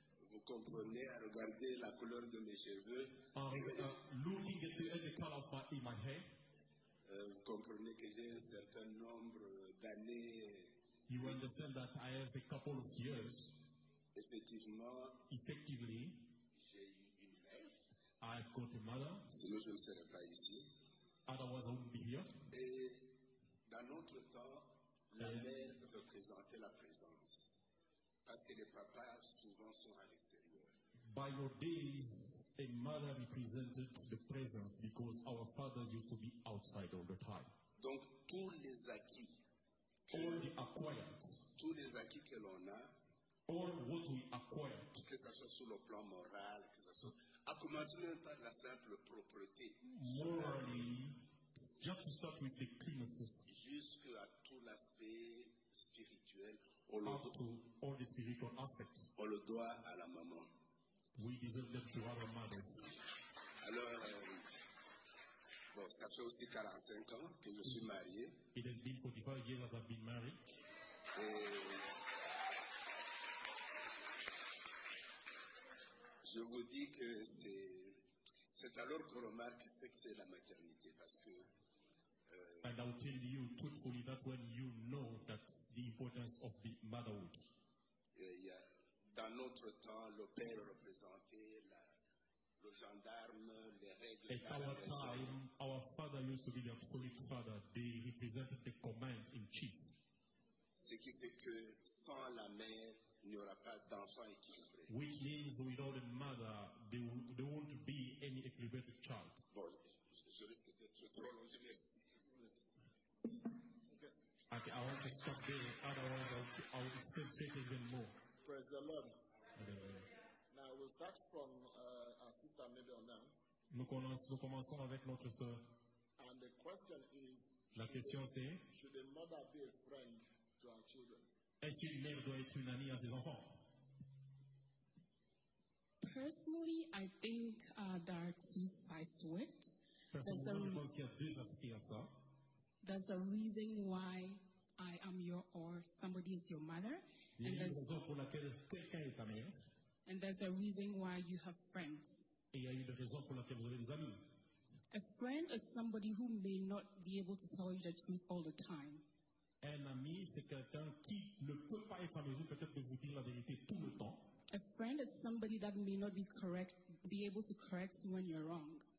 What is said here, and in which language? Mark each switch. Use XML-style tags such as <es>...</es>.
<fr>Vous comprenez, regardez la couleur de mes cheveux.</fr> <en>Looking at the color of my, in my hair.</en> <fr>Vous comprenez que j'ai un certain nombre d'années.</fr> <en>You understand that I have a couple of years.</en> <fr>Effectivement.</fr> <en>Effectively.</en> <fr>J'ai une mère.</fr> <en>I've got a mother.</en> <fr>Sinon, je ne serais pas ici.</fr> <en>Otherwise, I wouldn't be here.</en> <fr>Et dans notre temps, la mère représentait la présence, parce que les papas souvent sont à l'extérieur.</fr> <en>By your days, a mother represented the presence because our fathers used to be outside all the time.</en> <fr>Donc tous les acquis, tous les acquis que l'on a,</fr> <en>all what we acquire,</en> <fr>que ce soit sur le plan moral, que ce soit, à commencer même par la simple propreté.</fr> <en>Morally, just to start with the cleanness.</en> <fr>Jusqu'à tout l'aspect spirituel,</fr> <en>all the spiritual aspects.</en> <fr>On le doit à la maman.</fr> <en>We deserve that to our mothers.</en> <fr>Alors, bon, ça fait aussi 45 ans que je suis marié.</fr> <en>It has been 45 years that I've been married.</en> <fr>Je vous dis que c'est alors qu'on remarque ce que c'est la maternité, parce que</fr> <en>and I'll tell you truthfully, that's when you know that's the importance of the motherhood. Yeah.</en> <fr>Dans notre temps, le père représentait le gendarme, les règles.</fr> <en>At our time, our father used to be the absolute father. They represented the command in chief.</en> <fr>Ce qui fait que sans la mère, il n'y aura pas d'enfant équilibré.</fr> <en>Which means without a mother, there won't be any equilibrated child.</en> <fr>Bon, je risque d'être trop long, je m'excuse.</fr> <en>Okay, I want to stop there, otherwise I'll still take it even more. Praise the Lord. Now we'll start from our sister Maybell now.</en> <fr>Nous commençons avec notre soeur.</fr> <en>And the question is, should a mother be a friend to our children?</en> <fr>Est-ce qu'une mère doit être une amie à ses enfants?</fr> <en>Personally, I think there are two sides to it.</en> <fr>Personnellement, je pense qu'il y a deux aspects à ça.</fr> <en>There's a reason why I am your or somebody is your mother. And there's a reason why you have friends.</en> <fr>Et il y a une raison pour laquelle vous avez des amis.</fr> <en>A friend is somebody who may not be able to tell you the truth all the time.</en> <fr>Un ami, c'est quelqu'un qui ne peut pas être à mesure peut-être de vous dire la vérité tout le temps.</fr> <en>A friend is somebody that may not be correct, be able to correct you when you're wrong.</en>